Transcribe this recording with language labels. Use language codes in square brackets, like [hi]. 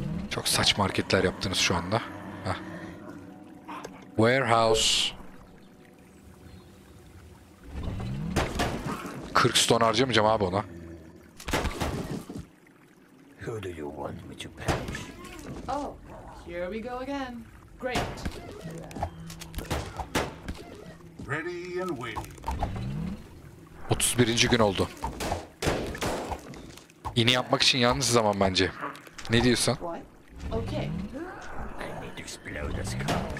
[tr] Çok saçma hareketler yaptınız şu anda. Heh. Warehouse. 40 stone harcamayacağım abi ona. [en] Who do you want me to punish? Oh, here we go again. Great. Ready and waiting. [tr] 31. gün oldu. İni yapmak için yalnız zaman bence. Ne diyorsun? [en] Okay. I need to explode this car.